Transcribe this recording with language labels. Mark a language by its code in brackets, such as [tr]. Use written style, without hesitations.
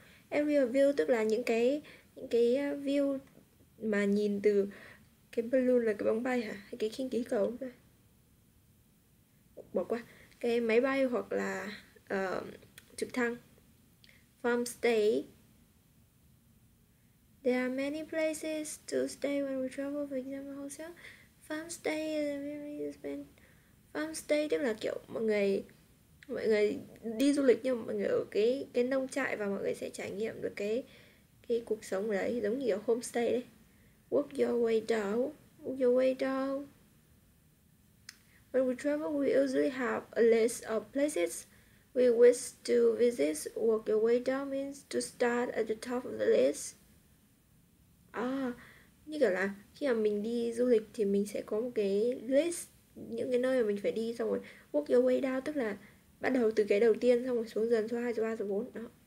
[vi] Aerial view tức là những cái view mà nhìn từ cái balloon là cái bóng bay hả? Hay cái khinh khí cầu? Bỏ qua. Cái máy bay hoặc là trực thăng. [en] Farm stay. There are many places to stay when we travel. For example, hotel. Farm stay is a very expensive. [vi] Farm stay tức là kiểu mọi người đi du lịch nhưng mà mọi người ở cái nông trại và mọi người sẽ trải nghiệm được cái cuộc sống ở đấy, giống như ở homestay đấy. [en] Work your way down. When we travel, we usually have a list of places we wish to visit. Work your way down means to start at the top of the list. [vi] Như kiểu là khi mà mình đi du lịch thì mình sẽ có một cái list những cái nơi mà mình phải đi, xong rồi [en] work your way down [vi] tức là bắt đầu từ cái đầu tiên xong rồi xuống dần, số 2, số 3, số 4 đó.